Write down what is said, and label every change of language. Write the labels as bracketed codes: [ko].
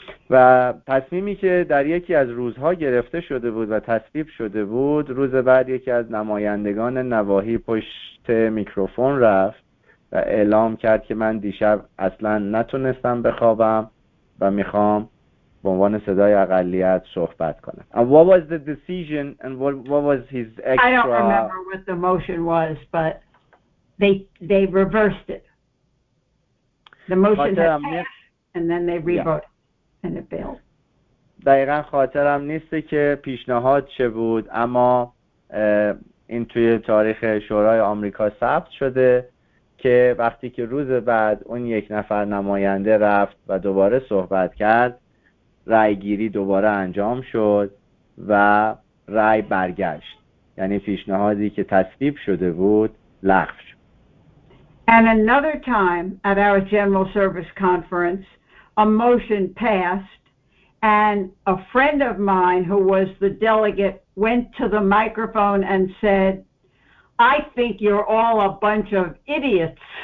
[fa] و تصمیمی که در یکی از روزها گرفته شده بود و تصویب شده بود، روز بعد یکی از نمایندگان نواحی پشت میکروفون رفت و اعلام کرد که من دیشب اصلا نتونستم بخوابم و میخوام به عنوان صدای اقلیت صحبت کنم. [en] And what was the decision and what was his extra... I don't remember what the motion was, but they reversed it. The motion had passed and then they revoked. Yeah. [fa] دقیقا خاطرم نیست که پیشنهاد چه بود، اما این توی تاریخ شورای آمریکا ثبت شده که وقتی که روز بعد اون یک نفر نماینده رفت و دوباره صحبت کرد، رأی گیری دوباره انجام شد و رأی برگشت، یعنی پیشنهادی که تصویب شده بود لغو شد. [en] And another time at our general service conference, a motion passed, and a friend of mine who was the delegate went to the microphone and said, I think you're all a bunch of idiots.